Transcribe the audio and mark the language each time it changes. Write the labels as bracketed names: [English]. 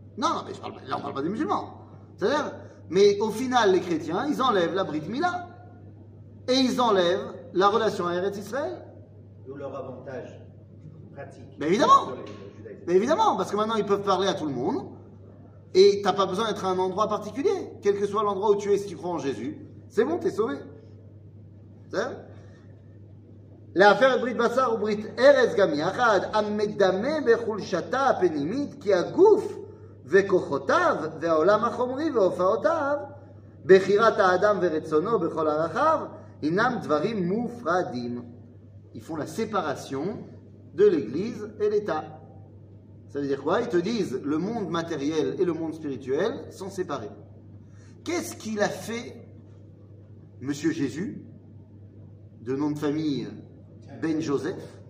[French] Non, mais là, on parle pas des musulmans. C'est-à-dire, mais au final, les chrétiens, ils enlèvent la Brit Mila. Et ils enlèvent la relation à Eretz Israël. D'où leur avantage pratique. Mais évidemment. Mais évidemment, parce que maintenant, ils peuvent parler à tout le monde. Et tu n'as pas besoin d'être à un endroit particulier. Quel que soit l'endroit où tu es, si tu crois en Jésus, c'est bon, tu es sauvé. C'est-à-dire, [Hebrew] להפר את ברית בשר וברית ארץ גם יחד, המדמה בחולשתה הפנימית, כי הגוף וכוחותיו והעולם החומרי והופעותיו בחירת האדם ורצונו בכל ערכיו הינם דברים מופרדים. [French] Ils font la séparation de l'église et l'état. Ça veut dire quoi? Ils te disent le monde matériel et le monde spirituel sont séparés. Qu'est-ce qu'il a fait monsieur Jésus, de nom de famille Ben Joseph?